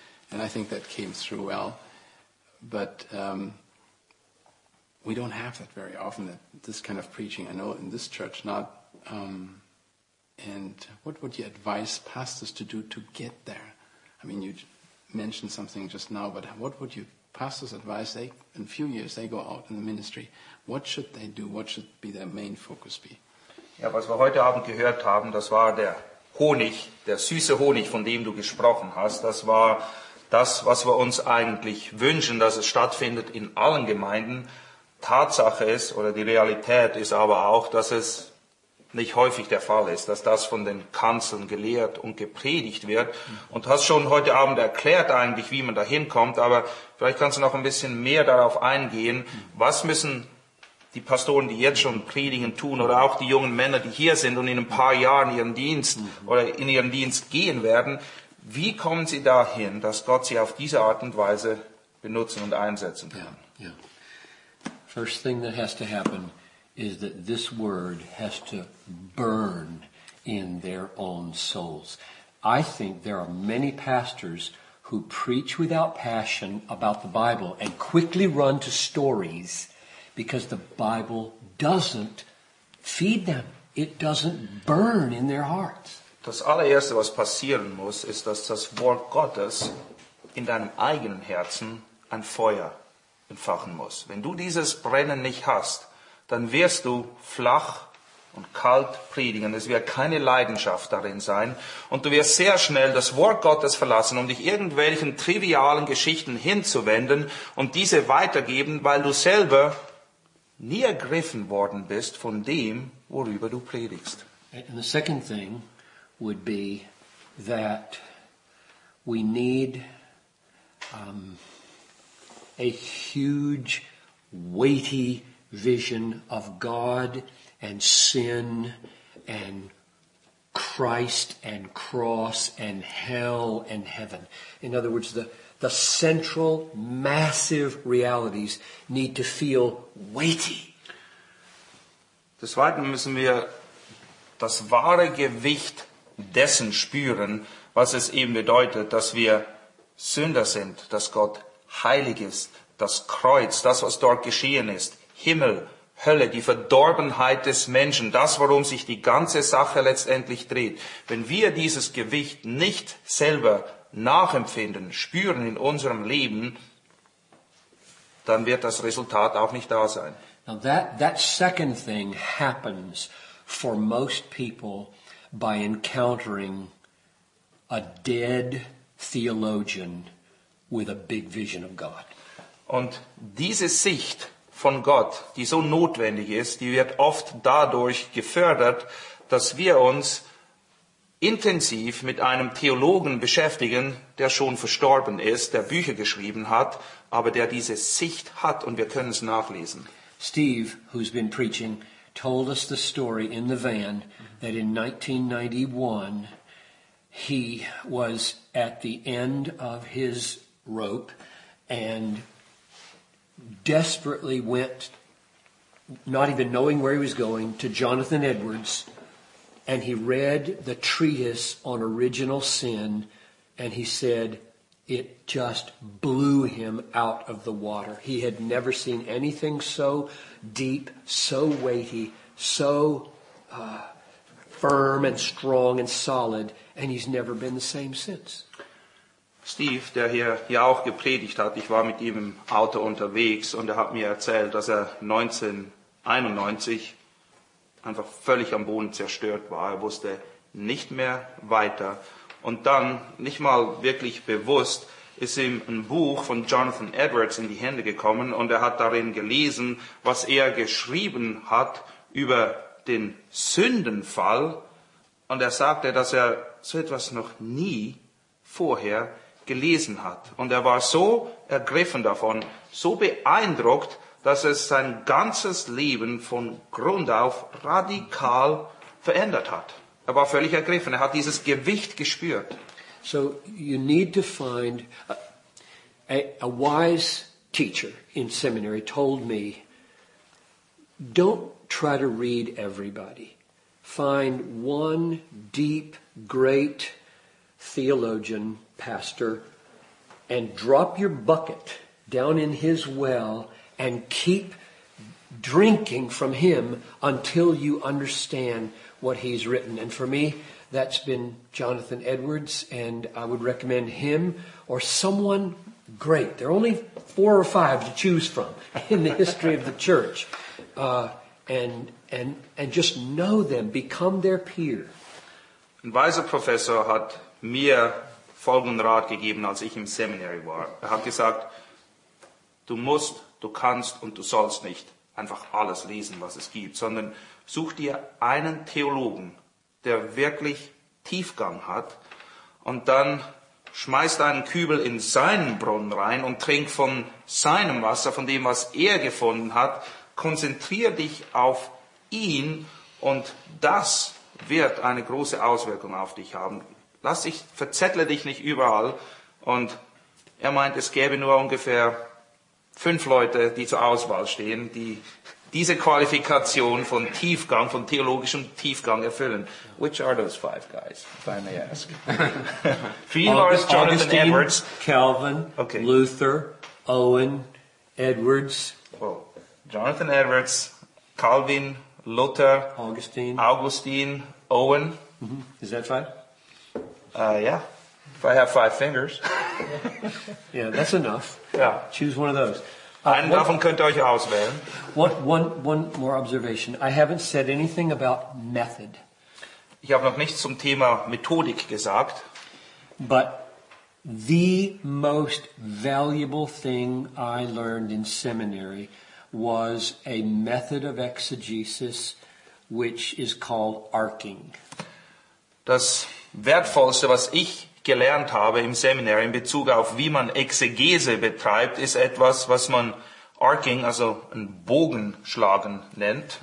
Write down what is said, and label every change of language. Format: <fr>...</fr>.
<en>And I think that came through well. But we don't have that very often, that this kind of preaching. I know in this church not. And what would you advise pastors to do to get there? I mean, you mentioned something just now, but what would you pastors advise? They, in a few years, they go out in the ministry. What should they do? What should be their main focus be?</en> <de>Ja, was wir heute Abend gehört haben, das war der Honig, der süße Honig, von dem du gesprochen hast. Das war das, was wir uns eigentlich wünschen, dass es stattfindet in allen Gemeinden. Tatsache ist, oder die Realität ist aber auch, dass es nicht häufig der Fall ist, dass das von den Kanzeln gelehrt und gepredigt wird. Und hast schon heute Abend erklärt eigentlich, wie man da hinkommt, aber vielleicht kannst du noch ein bisschen mehr darauf eingehen. Was müssen die Pastoren, die jetzt schon predigen, tun, oder auch die jungen Männer, die hier sind und in ein paar Jahren ihren Dienst oder in ihren Dienst gehen werden, wie kommen sie dahin, dass Gott sie auf diese Art und Weise benutzen und einsetzen kann?</de> <en>Yeah, yeah. First thing that has to happen is that this word has to burn in their own souls. I think there are many pastors who preach without passion about the Bible and quickly run to stories because the Bible doesn't feed them. It doesn't burn in their hearts.</en> <de>Das allererste, was passieren muss, ist, dass das Wort Gottes in deinem eigenen Herzen ein Feuer entfachen muss. Wenn du dieses Brennen nicht hast, dann wirst du flach und kalt predigen. Es wird keine Leidenschaft darin sein. Und du wirst sehr schnell das Wort Gottes verlassen, um dich irgendwelchen trivialen Geschichten hinzuwenden und diese weitergeben, weil du selber nie ergriffen worden bist von dem, worüber du predigst.</de> <en>And the second thing would be that we need a huge, weighty vision of God and sin and Christ and cross and hell and heaven. In other words, the central, massive realities need to feel weighty.</en> <de>Des Weiteren müssen wir das wahre Gewicht dessen spüren, was es eben bedeutet, dass wir Sünder sind, dass Gott heilig ist, das Kreuz, das, was dort geschehen ist, Himmel, Hölle, die Verdorbenheit des Menschen, das, worum sich die ganze Sache letztendlich dreht. Wenn wir dieses Gewicht nicht selber nachempfinden, spüren in unserem Leben, dann wird das Resultat auch nicht da sein.</de> <en>Now that second thing happens for most people by encountering a dead theologian with a big vision of God.</en> <de>Und diese Sicht von Gott, die so notwendig ist, die wird oft dadurch gefördert, dass wir uns intensiv mit einem Theologen beschäftigen, der schon verstorben ist, der Bücher geschrieben hat, aber der diese Sicht hat, und wir können es nachlesen.</de> <en>Steve, who's been preaching, told us the story in the van that in 1991 he was at the end of his rope and desperately went, not even knowing where he was going, to Jonathan Edwards, and he read the treatise on original sin, and he said it just blew him out of the water. He had never seen anything so deep, so weighty, so firm and strong and solid, and he's never been the same since.</en> <de>Steve, der hier ja auch gepredigt hat, ich war mit ihm im Auto unterwegs und er hat mir erzählt, dass er 1991 einfach völlig am Boden zerstört war. Er wusste nicht mehr weiter. Und dann, nicht mal wirklich bewusst, ist ihm ein Buch von Jonathan Edwards in die Hände gekommen und er hat darin gelesen, was er geschrieben hat über den Sündenfall. Und er sagte, dass er so etwas noch nie vorher gelesen hat. Und er war so ergriffen davon, so beeindruckt, dass es sein ganzes Leben von Grund auf radikal verändert hat. Er war völlig ergriffen. Er hat dieses Gewicht gespürt.</de> <en>So you need to find a wise teacher in seminary told me, don't try to read everybody. Find one deep, great theologian, pastor, and drop your bucket down in his well and keep drinking from him until you understand what he's written. And for me, that's been Jonathan Edwards, and I would recommend him or someone great. There are only four or five to choose from in the history of the church. And just know them, become their peer.</en> <de>Ein weiser Professor hat mir folgenden Rat gegeben, als ich im Seminary war. Er hat gesagt, du musst, du kannst und du sollst nicht einfach alles lesen, was es gibt, sondern such dir einen Theologen, der wirklich Tiefgang hat, und dann schmeiß deinen Kübel in seinen Brunnen rein und trink von seinem Wasser, von dem, was er gefunden hat. Konzentrier dich auf ihn und das wird eine große Auswirkung auf dich haben. Lass dich, verzettle dich nicht überall. Und er meint, es gäbe nur ungefähr 5 Leute, die zur Auswahl stehen, die diese Qualifikation von Tiefgang, von theologischem Tiefgang erfüllen.</de> <en>Which are those 5 guys, if I may ask?</en> <de>Für ihn war es Jonathan Edwards. Calvin, okay. Luther, Owen, Edwards.</de> <en>Oh. Jonathan Edwards, Calvin, Luther, Augustine, Owen. Mm-hmm. Is that 5? Yeah, if I have 5 fingers. Yeah, that's enough. Yeah. Choose one of those.</en> <de>Einen davon könnt ihr euch auswählen.</de> <en>One more observation. I haven't said anything about method.</en> <de>Ich habe noch nichts zum Thema Methodik gesagt.</de> <en>But the most valuable thing I learned in seminary was a method of exegesis which is called arcing.</en> <de>Das Wertvollste, was ich gelernt habe im Seminar in Bezug auf wie man Exegese betreibt, ist etwas, was man arcing, also ein Bogenschlagen nennt.</de>